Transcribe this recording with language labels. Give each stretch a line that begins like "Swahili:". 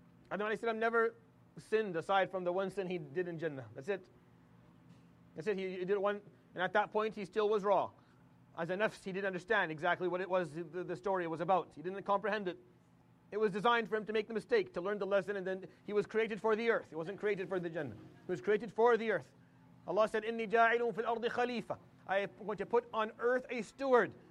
English: Adam alayhi salam never sinned aside from the one sin he did in Jannah. That's it. That's it. He did one. And at that point, he still was raw. As a nafs, he didn't understand exactly what it was, the story was about. He didn't comprehend it. It was designed for him to make the mistake, to learn the lesson, and then he was created for the earth. He wasn't created for the Jannah. He was created for the earth. Allah said,
Arabic: إِنِّي جَاعِلٌ فِي الْأَرْضِ خَلِيفَةً.
English: I am going to put on earth a steward.